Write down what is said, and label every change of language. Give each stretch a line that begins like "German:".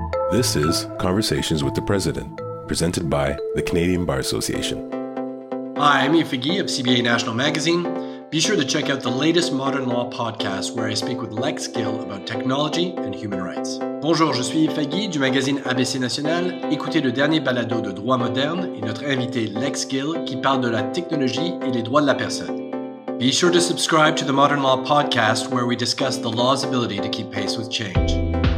English: This is Conversations with the President, presented by the Canadian Bar Association. Hi, I'm Ian Figgy of CBA National Magazine. Be sure to check out the latest Modern Law podcast, where I speak with Lex Gill about technology and human rights.
French: Bonjour, je suis Figgy du magazine ABC National. Écoutez le dernier balado de droit moderne et notre invité Lex Gill qui parle de la technologie et les droits de la personne.
English: Be sure to subscribe to the Modern Law podcast, where we discuss the law's ability to keep pace with change.